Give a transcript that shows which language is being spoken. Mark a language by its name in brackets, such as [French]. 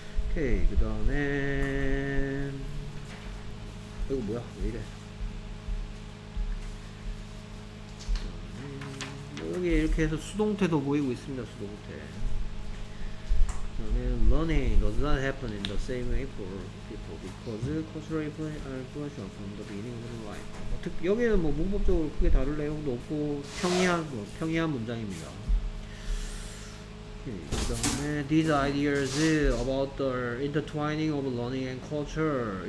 [Korean] 오케이 그 다음에 이거 뭐야 왜 이래 여기 이렇게 해서 수동태도 보이고 있습니다. 수동태 그 다음에 [English] learning does not happen in the same way for people because cultural influence from the beginning of life. [Korean] 여기는 뭐 문법적으로 크게 다룰 내용도 없고 평이한 문장입니다. [English] Okay. These ideas about the intertwining of learning and culture.